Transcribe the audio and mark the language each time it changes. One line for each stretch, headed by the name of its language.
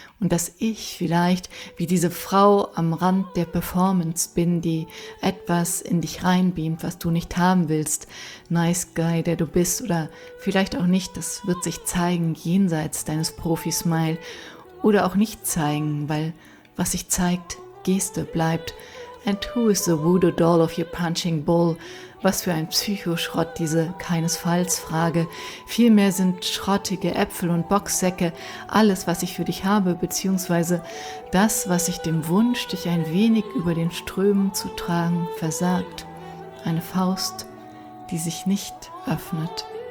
German: Und dass ich vielleicht wie diese Frau am Rand der Performance bin, die etwas in dich reinbeamt, was du nicht haben willst. Nice Guy, der du bist, oder vielleicht auch nicht, das wird sich zeigen jenseits deines Profi-Smile. Oder auch nicht zeigen, weil was sich zeigt, Geste bleibt.
English: And who is the voodoo doll of your punching bull?
German: Was für ein Psychoschrott, diese Keinesfalls-Frage. Vielmehr sind schrottige Äpfel und Boxsäcke alles, was ich für dich habe, beziehungsweise das, was ich dem Wunsch, dich ein wenig über den Strömen zu tragen, versagt. Eine Faust, die sich nicht öffnet.